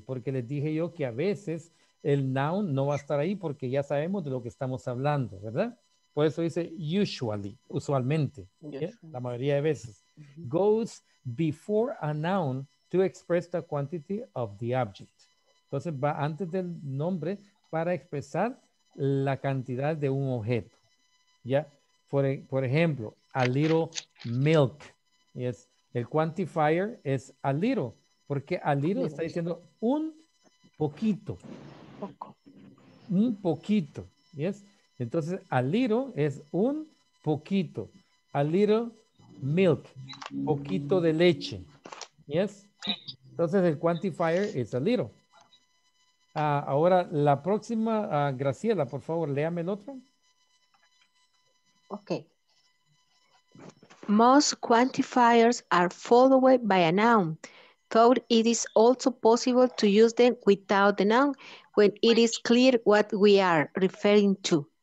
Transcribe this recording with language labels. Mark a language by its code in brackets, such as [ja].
[es] Porque les dije yo que a veces el noun no va a estar ahí porque ya sabemos de lo que estamos hablando, ¿verdad? Por eso dice usually, usualmente, yes. La mayoría de veces. [en] Goes before a noun to express the quantity of the object. [es] Entonces va antes del nombre para expresar la cantidad de un objeto, ¿ya? Por ejemplo, [en] a little milk, ¿yes? [es] El quantifier es a little, porque a little está diciendo un poquito. Un poquito, ¿yes? Entonces, a little es un poquito. [en] A little milk, [es] poquito de leche, [en] ¿yes? [es] Entonces, el quantifier es a little. Ahora, la próxima, Graciela, por favor, léame el otro. [en] Okay. Most quantifiers are followed by a noun, though it is also possible to use them without the noun when it is clear what we are referring to.